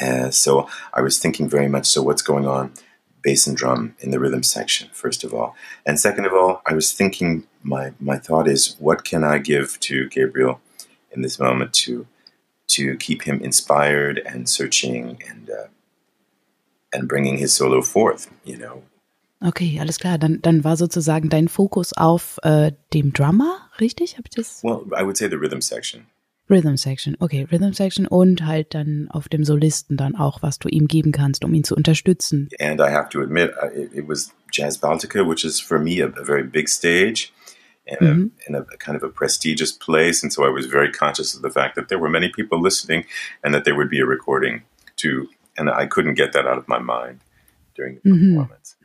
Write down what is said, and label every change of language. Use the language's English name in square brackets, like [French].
[English] So I was thinking very much, so what's going on bass and drum in the rhythm section, first of all. And second of all, I was thinking, my thought is, what can I give to Gabriel in this moment to keep him inspired and searching and bringing his solo forth, you know? [German] Okay, alles klar. Dann war sozusagen dein Fokus auf dem Drummer, richtig? Hab ich das? [English] Well, I would say the rhythm section. Rhythm section, okay, rhythm section [German] und halt dann auf dem Solisten dann auch, was du ihm geben kannst, um ihn zu unterstützen. [English] And I have to admit, it was Jazz Baltica, which is for me a very big stage and a kind of a prestigious place. And so I was very conscious of the fact that there were many people listening and that there would be a recording too. And I couldn't get that out of my mind during the performance.